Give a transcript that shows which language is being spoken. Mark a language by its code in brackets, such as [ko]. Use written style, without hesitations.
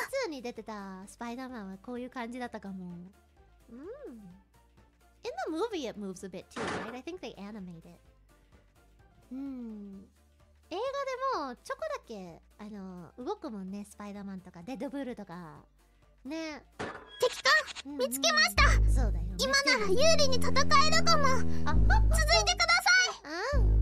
[ja] Part 2に出てた Spider-Man はこういう感じだったかも。 [en] In the movie it moves a bit too, right? I think they animate it. [ja] 映画でもチョコだけ動くもんね、 Spider-Man とかデッドプールとかね。敵艦見つけました。そうだよ、今なら有利に戦えるかも。続いてください。